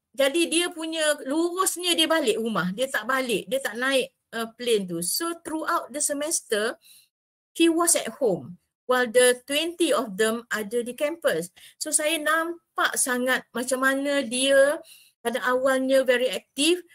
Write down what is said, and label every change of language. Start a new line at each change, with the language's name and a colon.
Malay: Jadi dia punya lurusnya dia balik rumah. Dia tak balik. Dia tak naik plane tu.
English: So throughout the semester, he was at home. While the 20 of them
Malay: ada di
English: campus.
Malay: So saya nampak sangat macam mana dia pada awalnya very aktif.